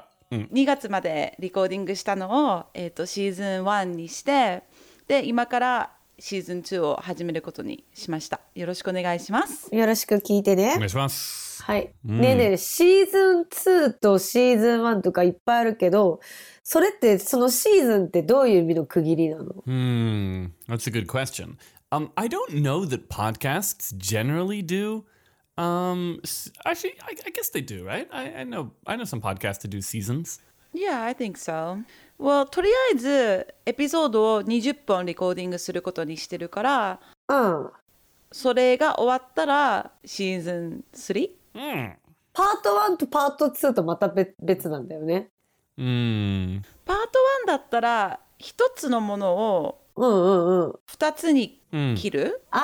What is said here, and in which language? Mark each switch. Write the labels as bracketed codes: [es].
[ja] 2月までリコーディングしたのを、シーズン1にしてで今からシーズン2を始めることにしました。よろしくお願いします。よろしく聞いてね。お願いします。はい、うん、ねえねえ、シーズン2とシーズン1とかいっぱいあるけど、それってそのシーズンってどういう意味の区切りなの？ [en] That's a good question. I don't know that podcasts generally dodo. Actually, I guess they do, right? I know some podcasts to do seasons. Yeah, I think so. [ja] Well, とりあえずエピソードを20本リコーディングすることにしてるから、それが終わったらシーズン3? うん。パート1とパート2とまた別なんだよね。パート1だったら一つのものを二つに切る？